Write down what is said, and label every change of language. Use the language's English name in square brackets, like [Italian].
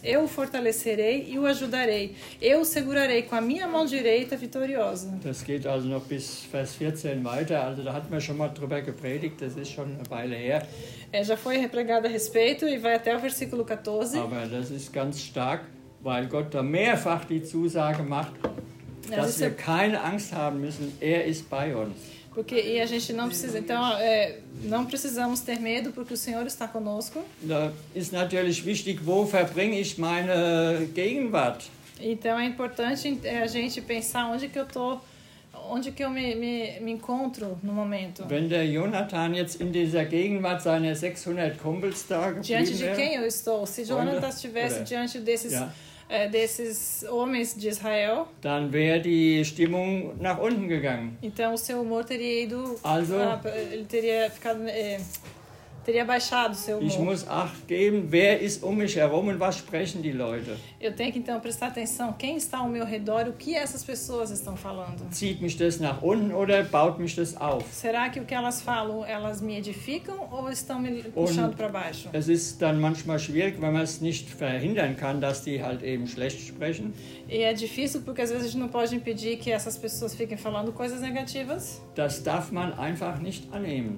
[Portuguese] Eu o fortalecerei e o ajudarei. Eu o segurarei com a minha mão direita vitoriosa. [German] Das geht also noch bis Vers 14 weiter. Also da hat man schon mal drüber gepredigt. Das ist schon eine Weile her. [Portuguese] Já foi repregado a respeito e vai até o versículo 14. [German] Aber das ist ganz stark, weil Gott da mehrfach die Zusage macht, dass wir keine Angst haben müssen. Er ist bei uns. [Portuguese] Porque e a gente não precisa, então, não precisamos ter medo porque o Senhor está conosco. [German] Da ist natürlich wichtig, wo verbringe ich meine Gegenwart? [Portuguese] Então é importante a gente pensar onde que eu me encontro no momento. [German] Wenn der Jonathan jetzt in dieser Gegenwart seiner 600 Kumpels da geblieben wäre. [Portuguese] Diante de quem eu estou? Se Jonathan estivesse diante desses desses homens de Israel. [German] Dann wäre die Stimmung nach unten gegangen. [Portuguese] Então o seu humor teria ido. [German] Also. [Portuguese] Ele teria ficado. Teria baixado o seu humor. [German] Ich muss acht geben, wer ist um mich herum und was sprechen die Leute. [Portuguese] Eu tenho que então prestar atenção. Quem está ao meu redor? O que essas pessoas estão falando? [German] Zieht mich das nach unten oder baut mich das auf? [Portuguese] Será que o que elas falam, elas me edificam ou estão me puxando para baixo? [German] Es ist dann manchmal schwierig, wenn man es nicht verhindern kann, dass die halt eben schlecht sprechen. [Portuguese] E é difícil porque às vezes a gente não pode impedir que essas pessoas fiquem falando coisas negativas. [German] Das darf man einfach nicht annehmen.